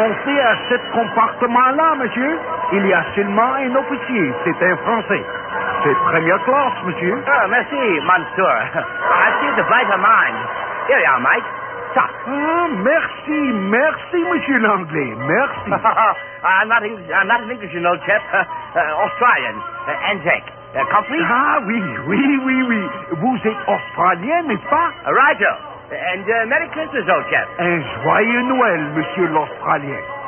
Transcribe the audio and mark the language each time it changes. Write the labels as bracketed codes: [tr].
[fr] À cet compartiment-là, monsieur, il y a seulement un officier. C'est un Français. C'est première classe, monsieur. Oh, merci, monsieur. [en] I see the bright mind. Here you are, Mike. Ça. [fr] Oh, merci, merci, monsieur l'anglais. Merci. [en] I'm not English, you know, chap. Australian. Anzac. Complete? [fr] Ah, oui, oui, oui, oui. Vous êtes Australien, n'est-ce pas? [en] Righto. And Merry Christmas, old chap. [fr] Un joyeux Noël, monsieur l'Australien.